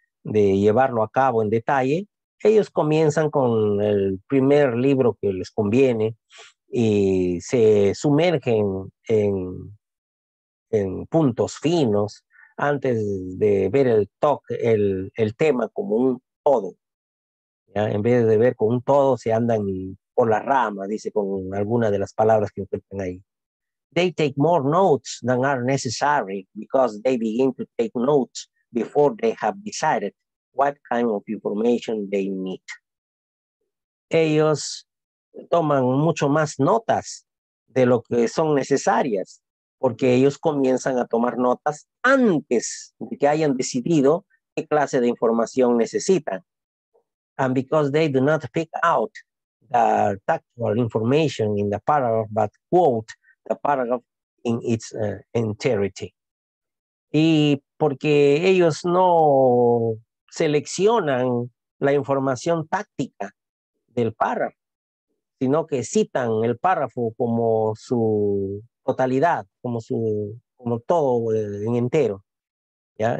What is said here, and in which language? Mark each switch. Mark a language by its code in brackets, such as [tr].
[es] de llevarlo a cabo en detalle, ellos comienzan con el primer libro que les conviene y se sumergen en puntos finos antes de ver el tema como un todo. ¿Ya? En vez de ver como un todo, se andan por la rama, dice, con alguna de las palabras que encuentran ahí. [en] They take more notes than are necessary because they begin to take notes before they have decided what kind of information they need. [es] Ellos toman mucho más notas de lo que son necesarias porque ellos comienzan a tomar notas antes de que hayan decidido qué clase de información necesitan. [en] And because they do not pick out the tactual information in the paragraph, but quote the paragraph in its entirety. [es] Y porque ellos no seleccionan la información táctica del párrafo, sino que citan el párrafo como su totalidad, como todo en entero. ¿Ya?